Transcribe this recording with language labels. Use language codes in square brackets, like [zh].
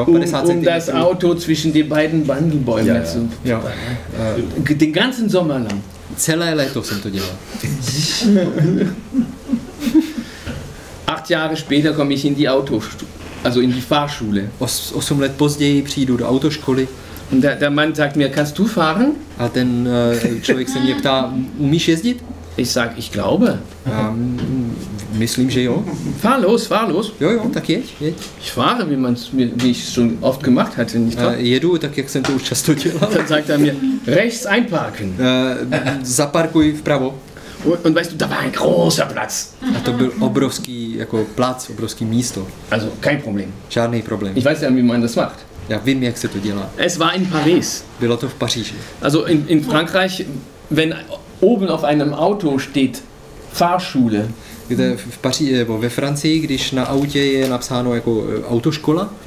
[de] um das Auto zwischen den beiden Bandelbäumen zu. Ja. Den ganzen Sommer lang. [cs] Celé léto jsem to dělal. [de] 8 Jahre später komme ich in die Fahrschule. [cs] 8 let později přijdu do autoškoly. [de] Und der Mann sagt mir, kannst du fahren? [cs] A ten člověk se mě ptá, umíš jezdit? [de] Ich sag, ich glaube. [cs] Myslím, že jo. [de] Fahr los. [cs] Jo, tak jeď. [de] Ich fahre, wie ich es schon oft gemacht hatte. [cs] Jedu, tak jak jsem to už často dělal. [de] Dann sagt er mir, rechts einparken. [cs] Zaparkuj vpravo. [de] Und weißt du, da war ein großer Platz. [cs] A to byl obrovský jako plac, obrovský místo. [de] Also, kein Problem. [cs] Žádný problém. [de] Ich weiß ja, wie man das macht. [cs] Já vím, jak se to dělá. [de] Es war in Paris. [cs] Bylo to v Paříži. [de] Also, in Frankreich, wenn oben auf einem Auto steht Fahrschule. [cs] Kde v Paříži, nebo ve Francii, když na autě je napsáno jako autoškola.